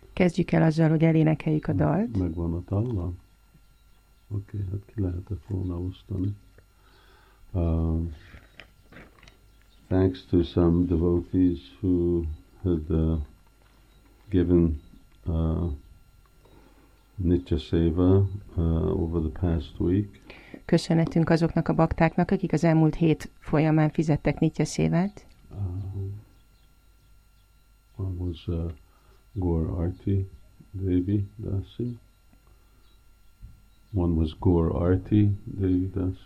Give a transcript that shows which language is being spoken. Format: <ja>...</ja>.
<hu>Kezdjük el azzal, hogy elénekeljük a dalt. Megvan a talla. Okay, hát ki lehet-e volna osztani.</hu> <en>Thanks to some devotees who had given nitya seva over the past week.</en> <hu>Köszönetünk azoknak a baktáknak, akik az elmúlt hét folyamán fizettek nitya sevát.</hu> <en>One was Gaur Arti Devi Dasi. One was Gaur Arti Devi Dasi.</en>